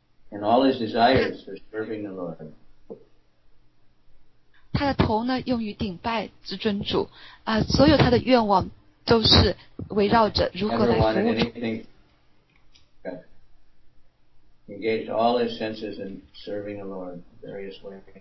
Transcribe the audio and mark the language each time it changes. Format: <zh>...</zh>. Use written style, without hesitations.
<en>And all his desires for serving the Lord.</en> <zh>他的头呢，用于顶拜至尊主。所有他的愿望都是围绕着如何来服务主。</zh> <en>Engaged all his senses in serving the Lord various ways.</en>